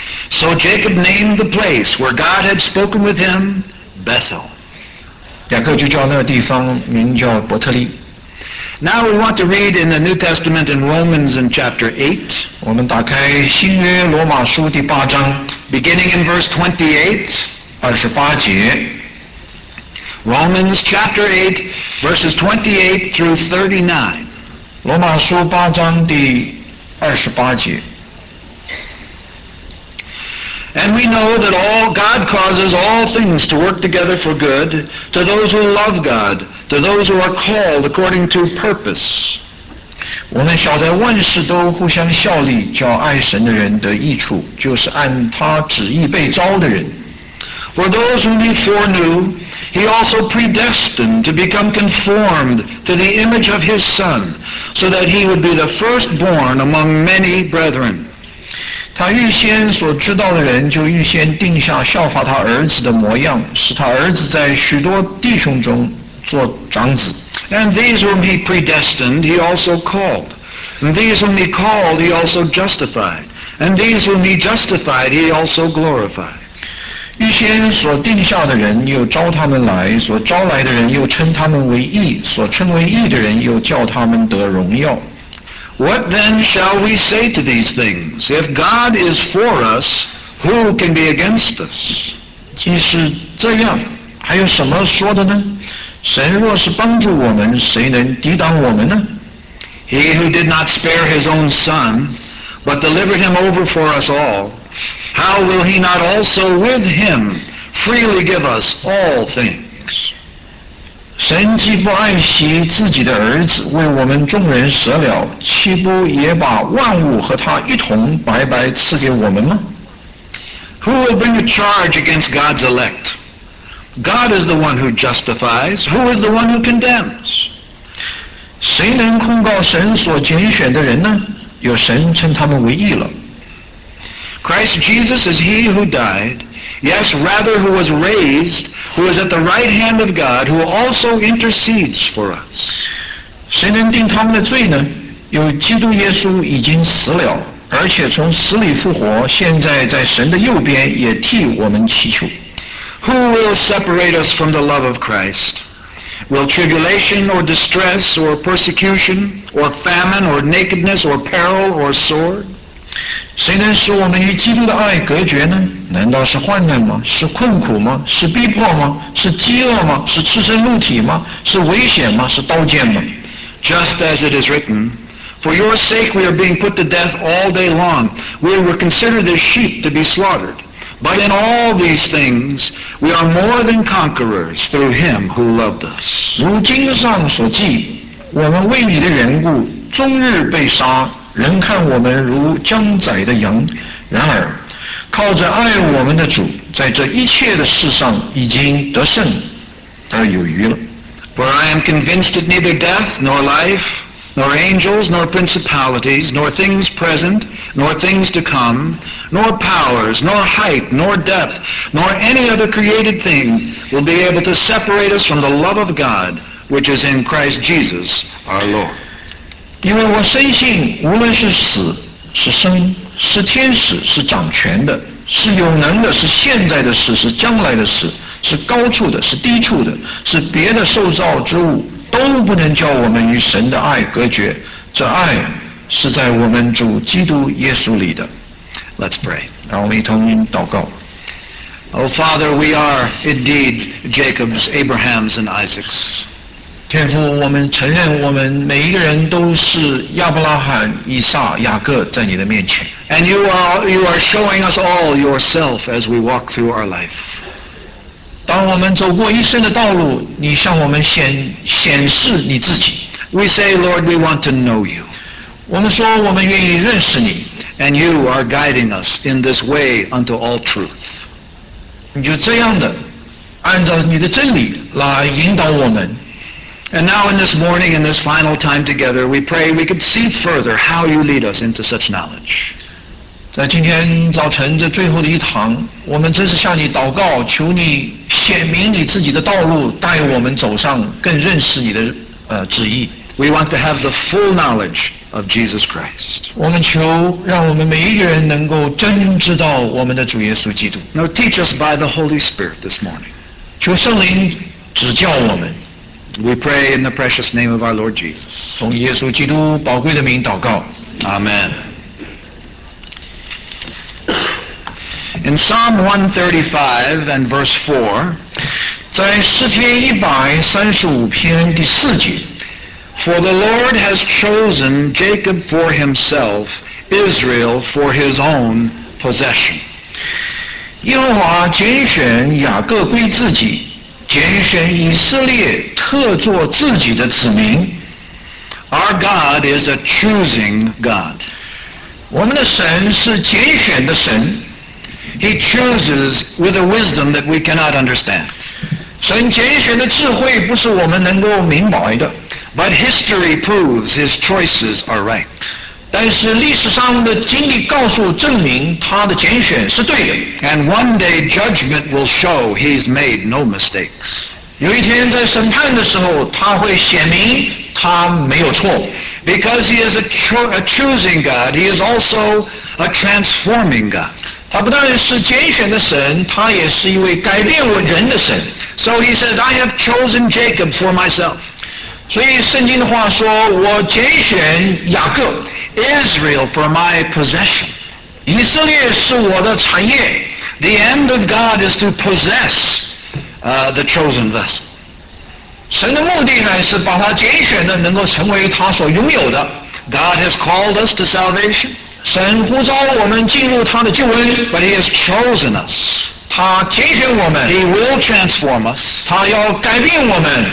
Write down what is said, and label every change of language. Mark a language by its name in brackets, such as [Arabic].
[English] So Jacob named the place where God had spoken with him Bethel. [Chinese] 雅各就叫那个地方名叫伯特利。 [English] Now we want to read in the New Testament in Romans in chapter 8. [Chinese] 我们打开新约罗马书第八章。 [English] Beginning in verse 28. [Chinese] 二十八节。 [English] Romans chapter 8, verses 28 through 39. [Chinese] 罗马书八章第二十八节。 [English] And we know that all God causes all things to work together for good to those who love God, to those who are called according to purpose. [Chinese] 我们晓得万事都互相效力，叫爱神的人得益处，就是按他旨意被召的人。 [English] For those whom he foreknew, he also predestined to become conformed to the image of his Son, so that he would be the firstborn among many brethren. [Chinese] 他预先所知道的人就预先定下效法他儿子的模样，使他儿子在许多弟兄中做长子。 [English] And these whom he predestined, he also called. And these whom he called, he also justified. And these whom he justified, he also glorified. [Chinese] 预先所定下的人又招他们来，所招来的人又称他们为义，所称为义的人又叫他们得荣耀。 [English] What then shall we say to these things? If God is for us, who can be against us? [Chinese] 既是这样，还有什么说的呢？神若是帮助我们，谁能抵挡我们呢？ [English] He who did not spare his own son, but delivered him over for us all,How will he not also with him freely give us all things? [Chinese] 神既不爱惜自己的儿子为我们众人舍了，岂不也把万物和他一同白白赐给我们吗？ [English] Who will bring a charge against God's elect? God is the one who justifies. Who is the one who condemns? [Chinese] 谁能控告神所拣选的人呢？有神称他们为义了。 [English] Christ Jesus is he who died, yes, rather who was raised, who is at the right hand of God, who also intercedes for us. [Chinese] 谁能定他们的罪呢？有基督耶稣已经死了，而且从死里复活，现在在神的右边也替我们祈求。 [English] Who will separate us from the love of Christ? Will tribulation or distress or persecution or famine or nakedness or peril or sword? [Chinese] 谁能使我们与基督的爱隔绝呢？难道是患难吗？是困苦吗？是逼迫吗？是饥饿吗？是赤身露体吗？是危险吗？是刀剑吗？ [English] Just as it is written, For your sake we are being put to death all day long. We were considered as sheep to be slaughtered. But in all these things, we are more than conquerors through him who loved us. [Chinese] 如经上所记，我们为你的缘故，终日被杀。人看我们如将宰的羊，然而靠着爱我们的主，在这一切的事上已经得胜，得有余了。 [English] For I am convinced that neither death nor life, nor angels nor principalities, nor things present, nor things to come, nor powers, nor height, nor depth, nor any other created thing will be able to separate us from the love of God, which is in Christ Jesus our Lord. [Chinese] 因为我深信，无论是死是生，是天使是掌权的，是有能的，是现在的事，是将来的事，是高处的，是低处的，是别的受造之物，都不能叫我们与神的爱隔绝。这爱是在我们主基督耶稣里的。 [English] Let's pray. [Chinese] 让我们一同祷告。 [English] Oh Father, we are indeed Jacob's, Abraham's, and Isaac's. [Chinese] 天父，我们承认我们每一个人都是亚伯拉罕、以撒、雅各，在你的面前。 [English] And you are showing us all yourself as we walk through our life. [Chinese] 当我们走过一生的道路，你向我们显示你自己。 [English] We say, Lord, we want to know you. [Chinese] 我们说我们愿意认识你。 [English] And you are guiding us in this way unto all truth. [Chinese] 你就这样的，按照你的真理来引导我们。 [English] And now in this morning, in this final time together, we pray we could see further how you lead us into such knowledge. [Chinese] 在今天早晨这最后的一堂，我们真是向你祷告，求你显明你自己的道路，带我们走上更认识你的旨意。 [English] We want to have the full knowledge of Jesus Christ. [Chinese] 我们求让我们每一个人能够真知道我们的主耶稣基督。 [English] Now teach us by the Holy Spirit this morning. [Chinese] 求圣灵指教我们。 [English] We pray in the precious name of our Lord Jesus. [Chinese] 从耶稣基督宝贵的名祷告。 [English] Amen. In Psalm 135 and verse 4, [Chinese] 在诗篇135篇第四节， [English] For the Lord has chosen Jacob for himself, Israel for his own possession. [Chinese] 耶和华拣选雅各归自己，拣选以色列特作自己的子民。 [English] Our God is a choosing God. [Chinese] 我们的神是拣选的神。 [English] He chooses with a wisdom that we cannot understand. [Chinese] 神拣选的智慧不是我们能够明白的。 [English] But history proves his choices are right. [Chinese] 但是历史上的经历告诉证明他的拣选是对的。 [English] And one day judgment will show he's made no mistakes. [Chinese] 有一天在审判的时候他会显明他没有错。 [English] Because he is a choosing God, he is also a transforming God. [Chinese] 他不但是拣选的神，他也是一位改变我人的神。 [English] So he says, I have chosen Jacob for myself. [Chinese] 所以圣经的话说我拣选雅各 [English] Israel for my possession [Chinese] 以色列是我的产业 [English] The end of God is to possess the chosen vessel [Chinese] 神的目的呢是把他拣选的能够成为他所拥有的 [English] God has called us to salvation [Chinese] 神呼召我们进入他的救恩 [English] But he has chosen us [Chinese] 他拣选我们 [English] He will transform us [Chinese] 他要改变我们